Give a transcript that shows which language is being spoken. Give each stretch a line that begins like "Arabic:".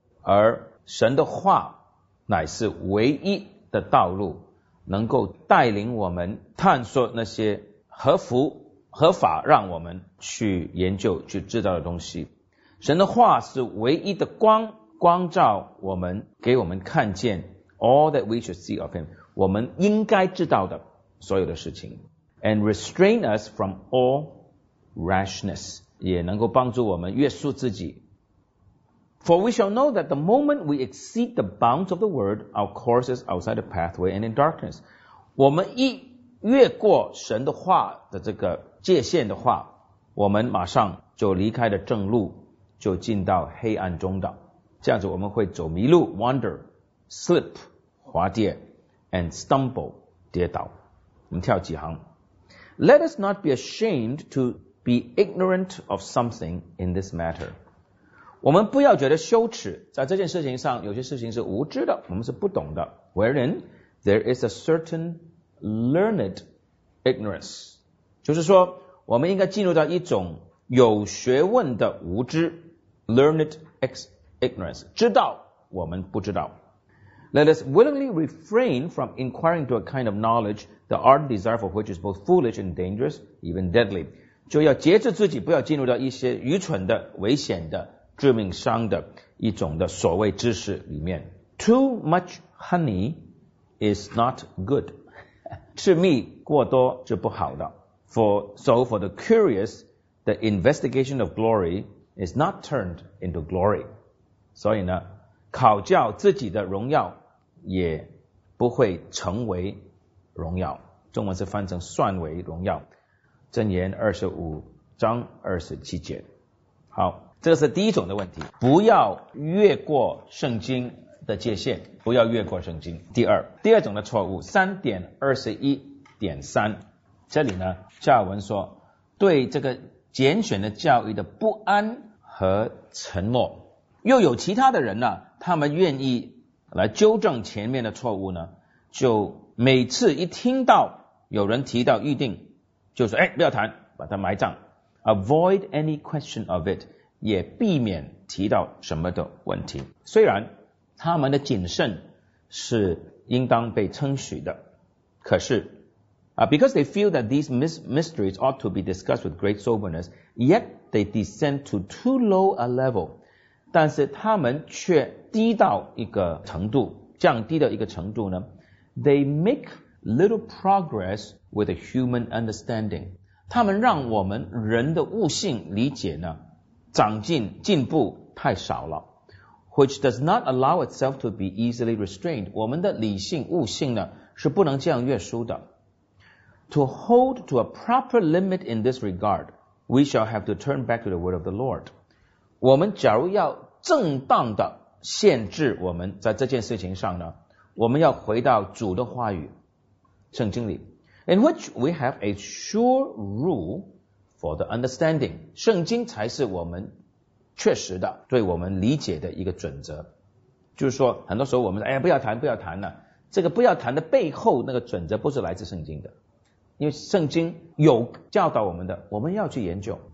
Chinese: 而神的话乃是唯一的道路，能够带领我们探索那些合符合法让我们去研究去知道的东西。神的话是唯一的光，光照我们，给我们看见
English: all that we should see of him，
Chinese: 我们应该知道的所有的事情。
English: and restrain us from all rashness，
Chinese: 也能够帮助我们约束自己。
English: For we shall know that the moment we exceed the bounds of the word, our course is outside the pathway and in darkness.
Chinese: 我们一越过神的话的这个界限的话，我们马上就离开了正路，就进到黑暗中的。这样子我们会走迷路 ,
English: wander, slip,
Chinese: 滑跌
English: and stumble,
Chinese: 跌倒。我们跳几行。
English: Let us not be ashamed to be ignorant of something in this matter.
Chinese: 我们不要觉得羞耻，在这件事情上有些事情是无知的，我们是不懂的。
English: Wherein there is a certain learned ignorance，
Chinese: 就是说我们应该进入到一种有学问的无知，
English: learned ignorance，
Chinese: 知道我们不知道。
English: Let us willingly refrain from inquiring to a kind of knowledge the ardent desire for which is both foolish and dangerous even deadly，
Chinese: 就要节制自己，不要进入到一些愚蠢的危险的致命伤的一种的所谓知识里面。
English: Too much honey is not good，
Chinese: 吃蜜过多是不好的。
English: For the curious, the investigation of glory is not turned into glory，
Chinese: 所以呢，考教自己的荣耀也不会成为荣耀，中文是翻成算为荣耀。箴言25章27节。好，这是第一种的问题，不要越过圣经的界限，不要越过圣经。第二种的错误 3.21.3， 这里呢加尔文说对这个拣选的教义的不安和沉默，又有其他的人呢，他们愿意来纠正前面的错误呢，就每次一听到有人提到预定，就说，哎，不要谈，把它埋葬。
English: Avoid any question of it，
Chinese: 也避免提到什么的问题。虽然他们的谨慎是应当被称许的，可是
English: because they feel that these mysteries ought to be discussed with great soberness, yet they descend to too low a level，
Chinese: 但是他们却低到一个程度，降低的一个程度呢
English: ？They make little progress with a human understanding.
Chinese: 他们让我们人的悟性理解呢，长进进步太少了。
English: Which does not allow itself to be easily restrained.
Chinese: 我们的理性悟性呢，是不能这样约束的。
English: To hold to a proper limit in this regard, we shall have to turn back to the word of the Lord.
Chinese: 我们假如要正当的限制我们在这件事情上呢，我们要回到主的话语，圣经里。
English: In which we have a sure rule for the understanding.
Chinese: 圣经才是我们确实的对我们理解的一个准则。就是说很多时候我们说哎呀不要谈不要谈了、啊。这个不要谈的背后那个准则不是来自圣经的。因为圣经有教导我们的，我们要去研究。